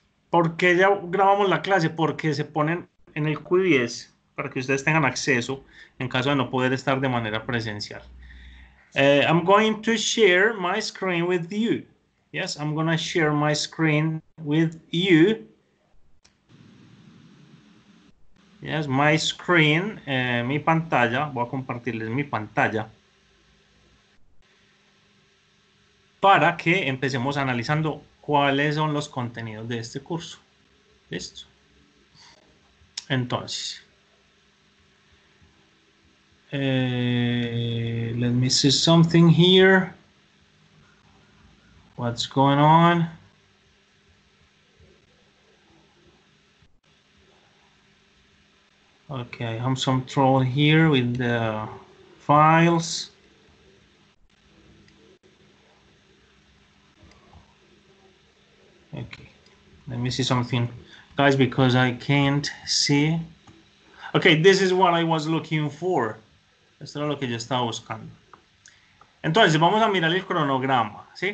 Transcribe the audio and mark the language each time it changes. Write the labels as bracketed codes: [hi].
[es] ¿Por qué ya grabamos la clase? Porque se ponen en el QBS para que ustedes tengan acceso en caso de no poder estar de manera presencial. [en] I'm going to share my screen with you. Yes, I'm going to share my screen with you. Yes, my screen, [es] mi pantalla. Voy a compartirles mi pantalla para que empecemos analizando cuáles son los contenidos de este curso. ¿Listo? Entonces, [en] let me see something here. What's going on? Okay, I have some trouble here with the files. Okay, let me see something, guys, because I can't see. Okay, this is what I was looking for. [es] Esto era lo que yo estaba buscando. Entonces, vamos a mirar el cronograma, ¿sí?